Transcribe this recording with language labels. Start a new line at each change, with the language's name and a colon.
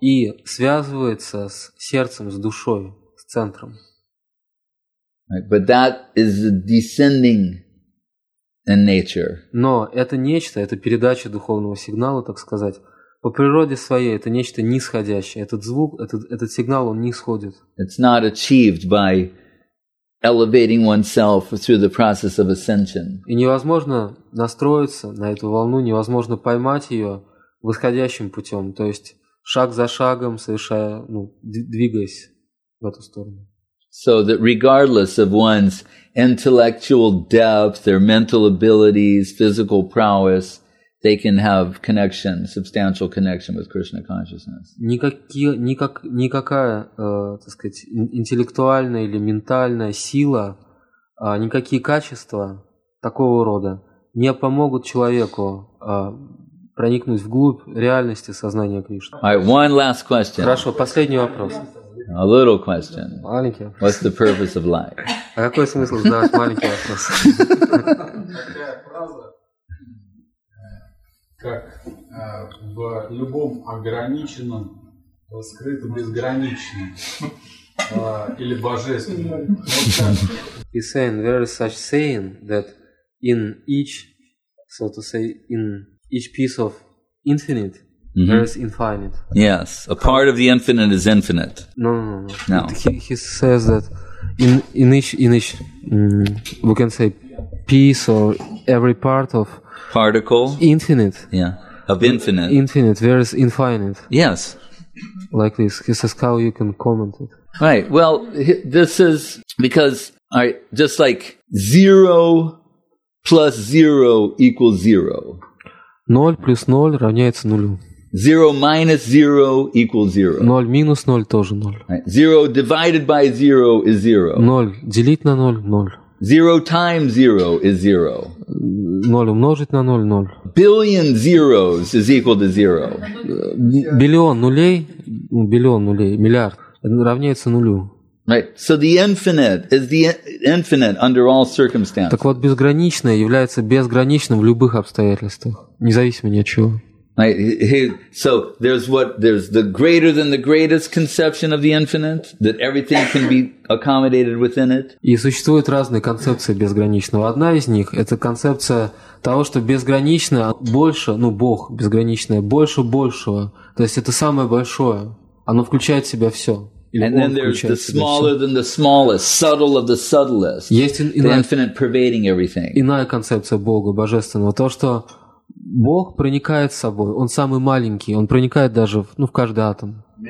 Russian: И связывается с сердцем, с душой, с центром.
English: Right, but that is descending in nature.
Russian: Но это нечто, это передача духовного сигнала, так сказать. По природе своей это нечто нисходящее. Этот звук, этот сигнал, он нисходит.
English: It's not achieved by elevating oneself through the process of ascension.
Russian: И невозможно настроиться на эту волну, невозможно поймать ее восходящим путем, то есть шаг за шагом, совершая, ну, двигаясь в эту сторону.
English: So that regardless of one's intellectual depth, their mental abilities, physical prowess, they can have connection, substantial connection with Krishna consciousness.
Russian: Никакая, так сказать, интеллектуальная или ментальная сила, никакие качества такого рода не помогут человеку проникнуть вглубь реальности сознания Кришны.
English: All right, one last question.
Russian: Хорошо, последний вопрос.
English: A little question.
Russian: Маленький.
English: What's the purpose of life?
Russian: А какой смысл задавать маленький вопрос? Такая фраза, как в любом ограниченном раскрыто безграничное или божественное.
English: He's saying there is such saying that in each, so to say, in each piece of infinite, mm-hmm. there is infinite. Yes, a part of the infinite is infinite. No. He says that in each, we can say piece or every part of particle infinite. Yeah, of infinite. Infinite, there is infinite. Yes, like this. He says how you can comment it. Right. Well, this is because all right, just like 0 + 0 = 0.
Russian: 0 плюс 0 равняется 0.
English: 0 minus 0 equals 0.
Russian: 0 минус 0 тоже 0.
English: Right. 0 divided by 0 is 0.
Russian: 0 делить на 0 – 0.
English: 0 times 0 is 0.
Russian: 0 умножить на 0 – 0.
English: Billion zeros is equal to 0.
Russian: Биллион нулей, миллиард равняется 0.
English: Right. So the infinite is the infinite under all circumstances.
Russian: Так вот, безграничное является безграничным в любых обстоятельствах, независимо ни от чего.
English: Right. So there's what there's the greater than the greatest conception of the infinite that everything can be accommodated within it.
Russian: И существуют разные концепции безграничного. Одна из них это концепция того, что безграничное больше, ну, Бог безграничное больше большего. То есть это самое большое. Оно включает в себя всё.
English: And then there's the smaller than the smallest, subtle of the subtlest.
Russian: Есть
English: the infinite pervading everything.
Russian: Иная концепция Бога божественного, то что Бог проникает в собой, он самый маленький, он проникает даже, ну, в каждый атом.